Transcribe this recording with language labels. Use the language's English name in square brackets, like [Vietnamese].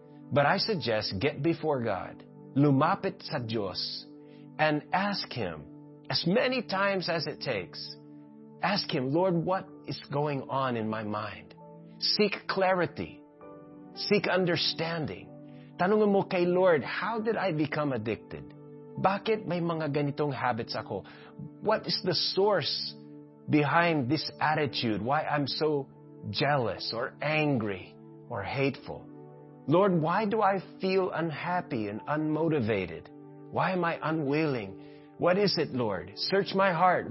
[English] But I suggest get before God, [Filipino] lumapit sa Diyos, [English] and ask Him as many times as it takes. Ask Him, Lord, what is going on in my mind? Seek clarity. Seek understanding. [Filipino] Tanungin mo kay Lord, [English] how did I become addicted? [Filipino] Bakit may mga ganitong habits ako? [English] What is the source behind this attitude? Why I'm so jealous or angry or hateful? Lord, why do I feel unhappy and unmotivated? Why am I unwilling? What is it, Lord? Search my heart.